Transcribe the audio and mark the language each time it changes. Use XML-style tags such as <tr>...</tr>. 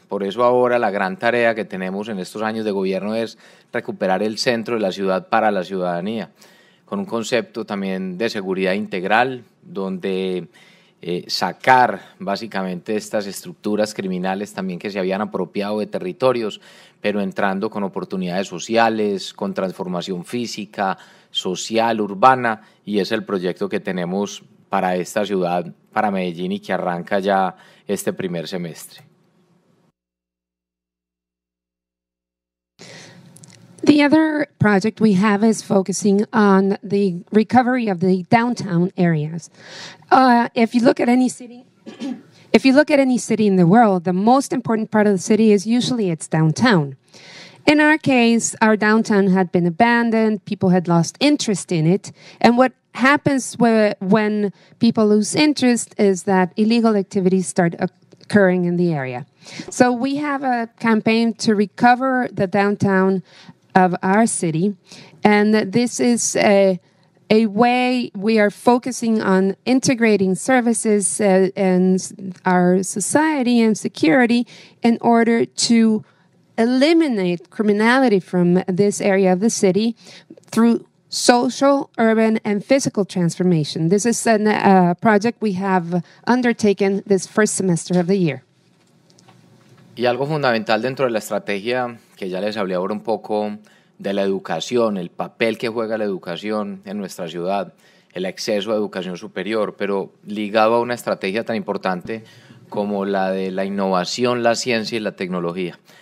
<es>Por eso ahora la gran tarea que tenemos en estos años de gobierno es recuperar el centro de la ciudad para la ciudadanía, con un concepto también de seguridad integral, donde sacar básicamente estas estructuras criminales también que se habían apropiado de territorios, pero entrando con oportunidades sociales, con transformación física, social, urbana, y es el proyecto que tenemos para esta ciudad, para Medellín, y que arranca ya este primer semestre.</es> <en>The other project we have is focusing on the recovery of the downtown areas. If you look at any city, if you look at any city in the world, the most important part of the city is usually its downtown. In our case, our downtown had been abandoned, people had lost interest in it, and what happens when people lose interest is that illegal activities start occurring in the area. So we have a campaign to recover the downtown of our city, and this is a way we are focusing on integrating services and our society and security in order to eliminate criminality from this area of the city through social, urban, and physical transformation. This is a project we have undertaken this first semester of the year.</en> <es>Y algo fundamental dentro de la estrategia, que ya les hablé ahora un poco de la educación, el papel que juega la educación en nuestra ciudad, el acceso a educación superior, pero ligado a una estrategia tan importante como la de la innovación, la ciencia y la tecnología.</es>